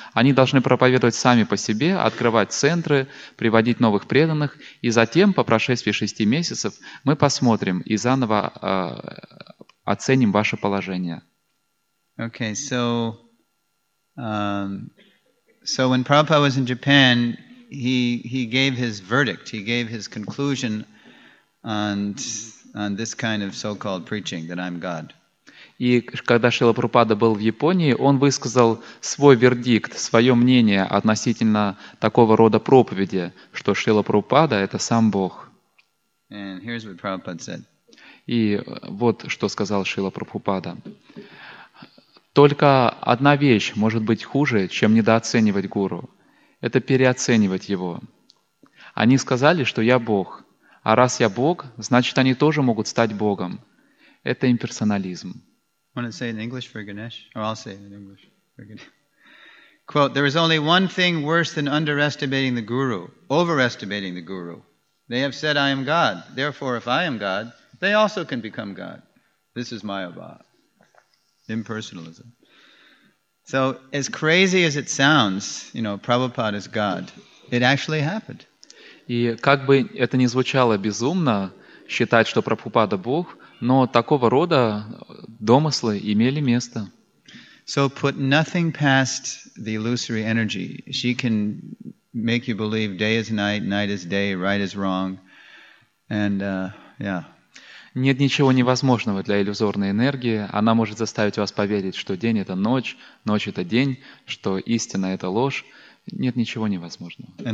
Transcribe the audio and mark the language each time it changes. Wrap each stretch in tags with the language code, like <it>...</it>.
<ru>Они должны проповедовать сами по себе, открывать центры, приводить новых преданных. И затем, по прошествии 6 месяцев, мы посмотрим и заново оценим ваше положение.</ru> <en>Okay, so when Prabhupada was in Japan, he gave his verdict, he gave his conclusion on this kind of so-called preaching that I'm God.</en> <ru>И когда Шрила Прабхупада был в Японии, он высказал свой вердикт, свое мнение относительно такого рода проповеди, что Шрила Прабхупада это сам Бог.</ru> <en>And here's what Prabhupada said.</en> <ru>И вот что сказал Шрила Прабхупада. Только одна вещь может быть хуже, чем недооценивать гуру. Это переоценивать его. Они сказали, что я Бог. А раз я Бог, значит, они тоже могут стать Богом. Это имперсонализм.</ru> <en>Want to say in English for Ganesh? Or I'll say it in English for Ganesh. Quote, there is only one thing worse than underestimating the guru, overestimating the guru. They have said, I am God. Therefore, if I am God, they also can become God. This is Mayavada, impersonalism. So, as crazy as it sounds, you know, Prabhupada is God, it actually happened.</en> <ru>И как бы это ни звучало безумно, считать, что Прабхупада Бог, но такого рода домыслы имели место.</ru> <en>So, put nothing past the illusory energy. She can make you believe day is night, night is day, right is wrong. And, yeah.</en> <ru>Нет ничего невозможного для иллюзорной энергии. Она может заставить вас поверить, что день — это ночь, ночь — это день, что истина — это ложь. Нет ничего невозможного.</ru>